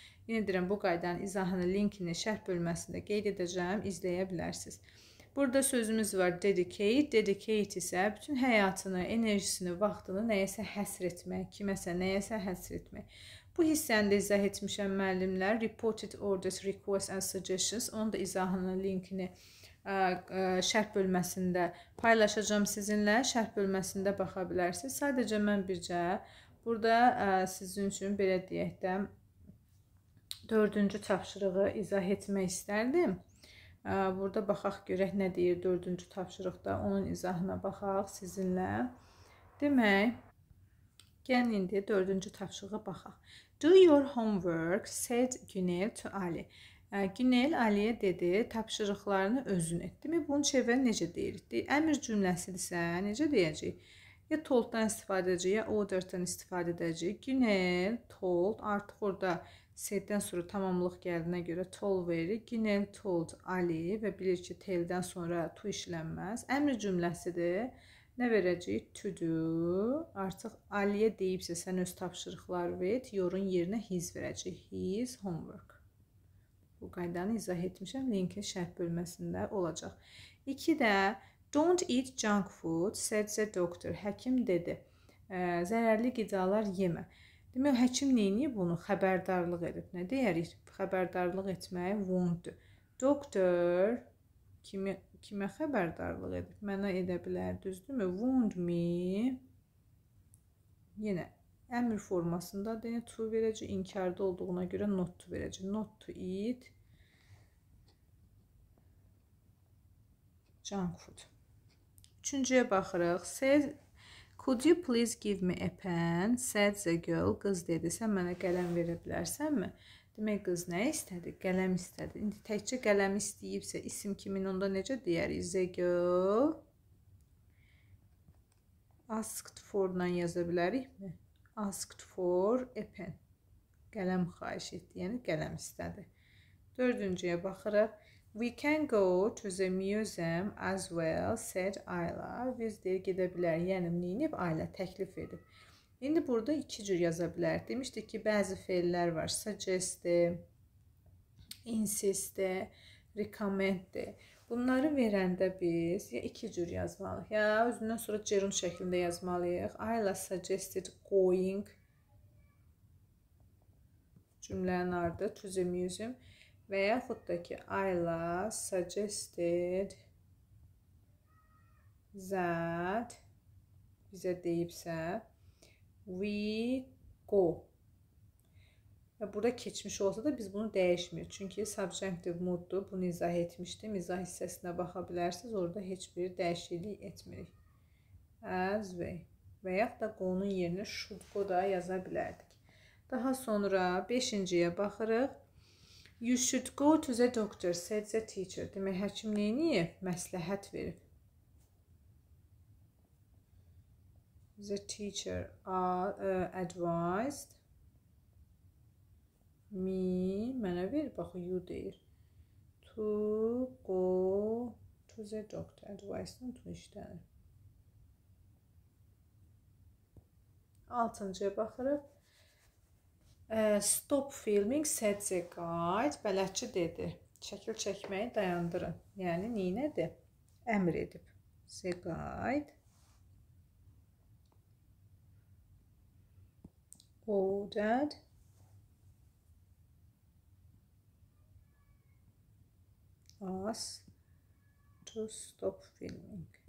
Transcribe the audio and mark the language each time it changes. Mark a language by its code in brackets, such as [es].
[az] Yenə deyirəm, bu qaydanın izahını, linkini şərh bölməsində qeyd edəcəm, izləyə bilərsiniz. Burada sözümüz var, dedicate. Dedicate isə bütün həyatını, enerjisini, vaxtını nəyəsə həsr etmək, kiməsə nəyəsə həsr etmək. Bu hissəni də izah etmişəm müəllimlər, [en] reported orders, requests and suggestions, [az] onun da izahını, linkini şərh bölməsində paylaşacağım sizinlə. Şərh bölməsində baxa bilərsiniz. Sadəcə mən bircə burada sizin üçün belə deyək də 4-cü tapşırığı izah etmək istərdim. Burada baxaq görək nə deyir 4-cü tapşırıqda. Onun izahına baxaq sizinlə. Demək, gəlin indi 4-cü tapşırığa baxaq. [en] Do your homework, said Günel to Ali. [az] Günel Aliyə dedi, tapşırıqlarını özün et. Demək, bunu çevirə necə deyirik? Əmir cümləsidirsə, necə deyəcək? Ya told-dan istifadə edəcək, ya ordered-dan istifadə edəcək. Günel, told, artıq orada said-dən sonra tamamlıq gəldiyinə görə told verir. Günel, told, Ali və bilir ki, tell-dən sonra to işlənməz. Əmir cümləsidir. Nə verəcək? To do. Artıq Aliyə deyibsə, sən öz tapşırıqları ver, yorun yerinə his verəcək. [en] His homework. [az] Bu qaydanı izah etmişəm. Linkin şərh bölməsində olacaq. [en] 2-də don't eat junk food, said the doctor. [az] Həkim dedi, zərərli qidalar yemə. Demək, həkim neyini bunu xəbərdarlıq edib? Nə deyərik? Xəbərdarlıq etmək won't. Doctor kimə xəbərdarlıq edib? Mənə edə bilər, düzdürmü? Won't me. Yenə. Əmr formasında deyə to verəcək, inkarda olduğuna görə not to verəcək. [en] Not to eat junk food. [az] Üçüncüyə baxırıq. [en] Said, could you please give me a pen? Said the girl. [az] Qız dedi, sən mənə qələm verə bilərsən mi? Demək, qız nə istədi? Qələm istədi. İndi təkcə qələm istəyibsə, isim kimin onda necə deyərik? [en] The girl asked for-dan [az] yaza bilərik mi? [en] Asked for a pen. [az] Qələm xahiş etdi, yəni qələm istədi. Dördüncüyə baxırıq. [en] We can go to the museum as well, said Ayla. [az] Biz deyə gedə bilər, yəni neynib Ayla təklif edib. İndi burada iki cür yaza bilər. Demişdik ki, bəzi feillər var. [en] Suggest, insist, recommend. [az] Bunları verəndə biz ya iki cür yazmalıyıq, ya özündən sonra gerund şəklində yazmalıyıq. [en] Ayla suggested going [az] cümlənin ardı [en] to the museum [az] və yaxud da ki, [en] Ayla suggested that [az] bizə deyibsə [en] we go. [az] Və burada keçmiş olsa da biz bunu dəyişmirik. Çünki subjective mooddur. Bunu izah etmişdim. İzah hissəsində baxa bilərsiniz. Orada heç bir dəyişiklik etmirik. As we. Və yaxud da qonun yerinə should go da yaza bilərdik. Daha sonra 5-ciyə baxırıq. [en] You should go to the doctor, said the teacher. [az] Demək, həkim nəyini məsləhət verib? [en] The teacher advised me, [az] mənə verir, bax, [en] you [az] deyir, [en] to go to the doctor. Advised to işləyir. [az] 6-cıya baxırıq. [en] Stop filming, said the guide. [az] Bələdçi dedi, şəkil çəkməyi dayandırın. Yəni, niyə nədi? Əmr edib. [en] The guide ordered us to stop filming.